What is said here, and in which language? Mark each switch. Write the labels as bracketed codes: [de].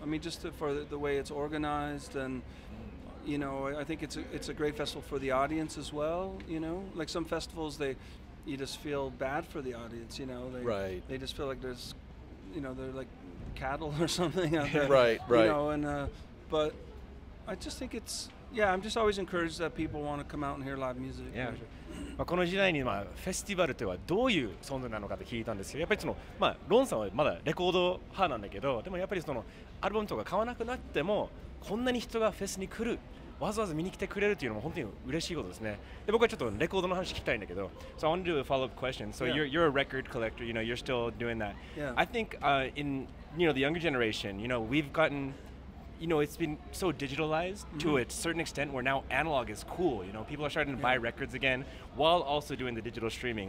[en] I mean, just for the way it's organized, and, you know, I think it's a great festival for the audience as well, you know. Like some festivals, you just feel bad for the audience, you know. They just feel like there's, you know, they're like cattle or something out there. Right, right. You know, and but I just think it's, yeah, I'm just always encouraged that people want to come out and hear live music. Yeah. [ja] まあこの時代にまあフェスティバルとはどういう存在なのかと聞いたんですけど、やっぱりそのまあロンさんはまだレコード派なんだけど、でもやっぱりそのアルバムとか買わなくなっても、こんなに人がフェスに来る、わざわざ見に来てくれるというのも本当に嬉しいことですね。で、僕はちょっとレコードの話聞きたいんだけど。 [en] So I want to do a follow-up question. So you're a record collector, you know, you're still doing that. Yeah. I think in, you know, the younger generation, you know, we've gotten, you know, it's been so digitalized to a certain extent where now analog is cool. You know, people are starting to buy records again while also doing the digital streaming.